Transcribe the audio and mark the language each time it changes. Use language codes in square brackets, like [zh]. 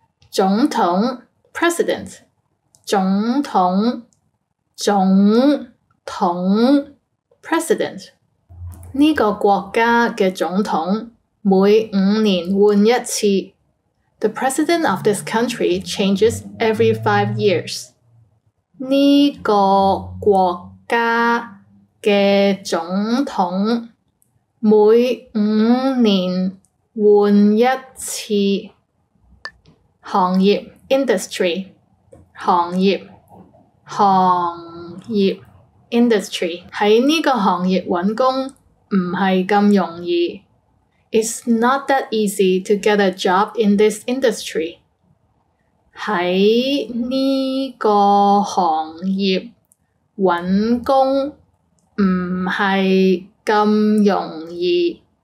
[yue] 总统 President 总统总统 President 这个国家的总统每五年换一次。 [en] The president of this country changes every 5 years. [yue] 这个国家的总统每五年换一次。行业 industry， 行业，行业 industry，在这个行业找工不是那么容易。 [en] It's not that easy to get a job in this industry. [yue] 在这个行业找工不是咁容易。